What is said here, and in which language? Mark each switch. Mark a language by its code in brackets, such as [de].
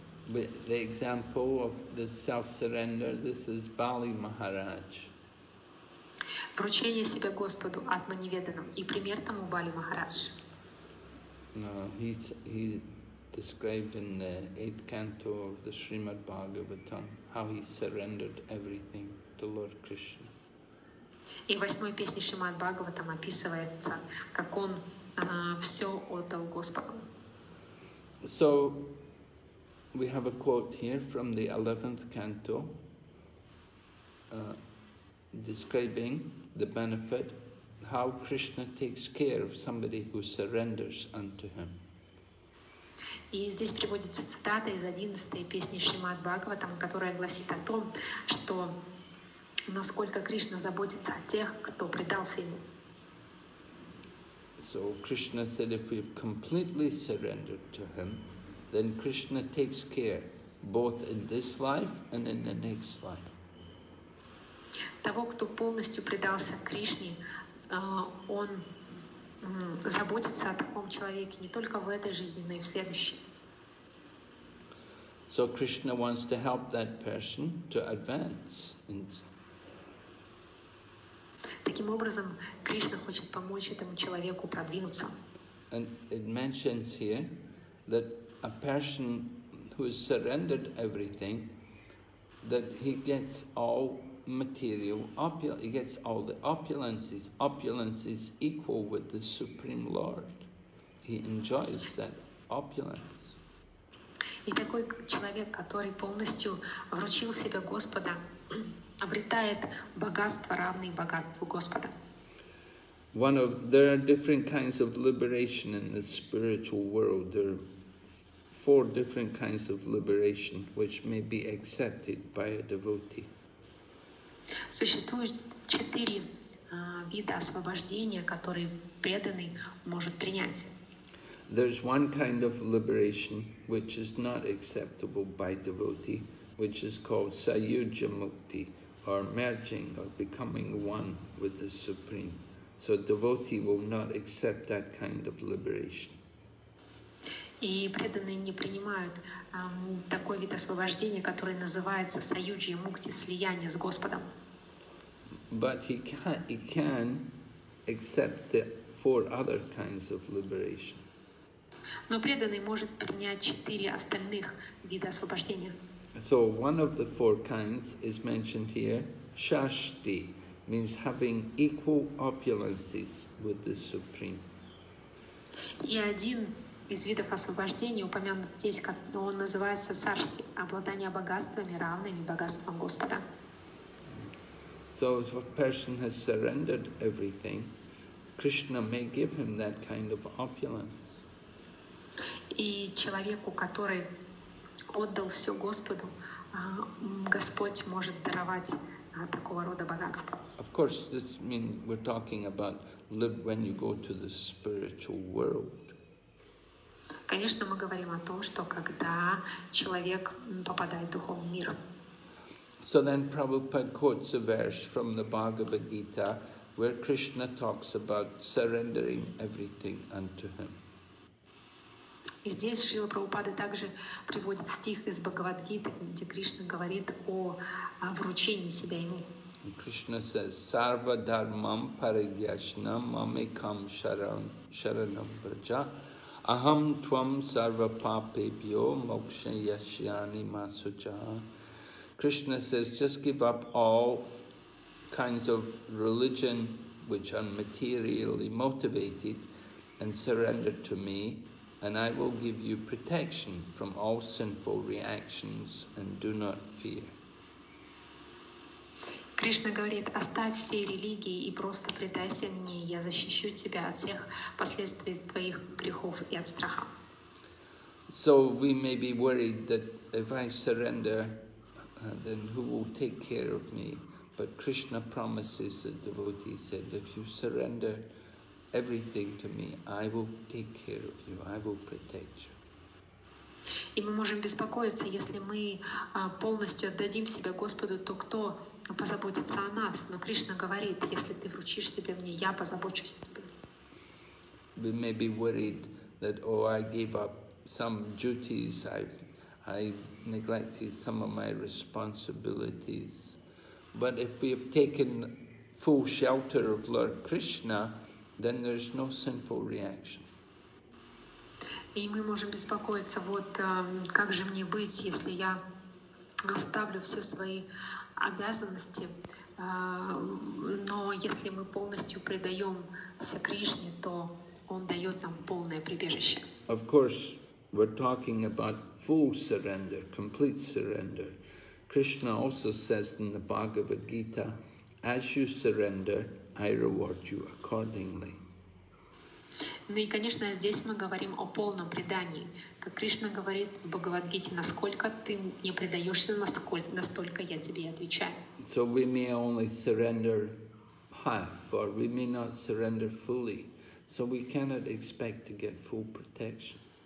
[en] With the example of the self-surrender, this is Bali Maharaj. [ru] Вручение себя Господу, Атманиведанам, и пример тому Бали Махарадж. [en] He described in the 8th canto of the Srimad Bhagavatam how he surrendered everything to Lord Krishna. [ru] И в 8-й песне Шримад-Бхагаватам описывается, как он все отдал Господу. [en] So, we have a quote here from the 11th canto, describing the benefit, how Krishna takes care of somebody who surrenders unto him. [ru] И здесь приводится цитата из 11-й песни Шримад-Бхагаватам, которая гласит о том, что насколько Кришна заботится о тех, кто предался ему. [en] So Krishna said, if we've completely surrendered to him, then Krishna takes care both in this life and in the next life. [ru] Того, кто полностью предался Кришне, он заботится о таком человеке не только в этой жизни, но и в следующей. [en] So Krishna wants to help that person to advance in. [ru] Таким образом, Кришна хочет помочь этому человеку продвинуться. [en] And it mentions here that a person who has surrendered everything, that he gets all material opulence, he gets all the opulences. Opulence is equal with the Supreme Lord. He enjoys that opulence. [ru] И такой человек, который полностью вручил себя Господа, обретает богатство, равное богатству Господа. [en] There are different kinds of liberation in the spiritual world. There are four different kinds of liberation, which may be accepted by a devotee. [ru] Существует четыре вида освобождения, которые преданный может принять. [en] There's one kind of liberation which is not acceptable by devotee, which is called Sayujya Mukti, or merging, or becoming one with the Supreme. So devotee will not accept that kind of liberation. [ru] И преданные не принимают такой вид освобождения, который называется Sayujya Mukti, слияние с Господом. [en] But he can accept the four other kinds of liberation. [ru] Но преданный может принять четыре остальных вида освобождения. [en] So one of the four kinds is mentioned here. Shashti means having equal opulences with the Supreme. [ru] И один из видов освобождения упомянут здесь, он называется Сашти, обладание богатствами, равными богатствам Господа. [en] So if a person has surrendered everything, Krishna may give him that kind of opulence. [ru] И человеку, который отдал все Господу, Господь может даровать такого рода богатство. [en] Of course, this means we're talking about when you go to the spiritual world. [ru] Конечно, мы говорим о том, что когда человек попадает в духовный мир. [en] So then Prabhupada quotes a verse from the Bhagavad Gita, where Krishna talks about surrendering everything unto him. [ru] И здесь Шрила Прабхупада также приводит стих из Бхагавад-гиты, где Кришна говорит о вручении себя ему. [sa] Кришна [en] says, [sa] Sarva dharmam parigyashna mamikam sharanam braja aham tvam sarva papebhyo moksha yashyani masuja. [en] Krishna says, just give up all kinds of religion which are materially motivated and surrender to me, and I will give you protection from all sinful reactions, and do not fear. [ru] Кришна говорит, оставь все религии и просто предайся мне, я защищу тебя от всех последствий твоих грехов и от страха. [en] So we may be worried that if I surrender, then who will take care of me? But Krishna promises, the devotee said, if you surrender everything to me, I will take care of you, I will protect you. [ru] И мы можем беспокоиться, если мы полностью отдадим себя Господу, то кто позаботится о нас? Но Кришна говорит, если ты вручишь себя мне, я позабочусь о тебе. [en] We may be worried that, oh, I gave up some duties, I neglected some of my responsibilities. But if we have taken full shelter of Lord Krishna, then there's no sinful reaction. [ru] И мы можем беспокоиться, вот как же мне быть, если я оставлю все свои обязанности, но если мы полностью предаемся Кришне, то Он дает нам полное прибежище. [en] Of course, we're talking about full surrender, complete surrender. Krishna also says in the Bhagavad Gita, as you surrender, I reward you accordingly. [ru] Ну и, конечно, здесь мы говорим о полном предании. Как Кришна говорит в Бхагавад-гите, насколько ты мне предаешься, настолько я тебе отвечаю. [en] So we may only surrender half, or we may not surrender fully. So we cannot expect to get full protection.